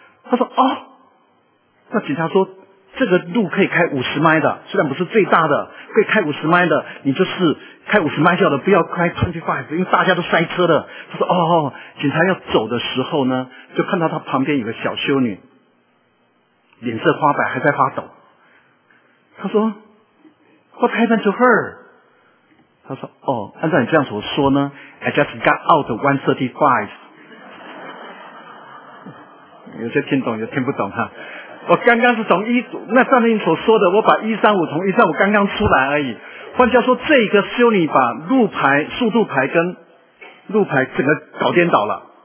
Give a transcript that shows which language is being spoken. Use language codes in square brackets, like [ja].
[zh] 他说哦，那警察说这个路可以开50 mile 的，虽然不是最大的，可以开50 mile 的，你就是开50 mile 的，不要开25，因为大家都塞车了。他说哦，警察要走的时候呢，就看到他旁边有个小修女，脸色花白，还在发抖。他说 [en] What happened to her？ [zh] 他说哦，按照你这样所说呢， [en] I just got out 135。 [zh] 有些听懂，有听不懂哈。我刚刚是从那上面所说的，我把135从135刚刚出来而已。换句话说，这个修女把路牌、速度牌跟路牌整个搞颠倒了。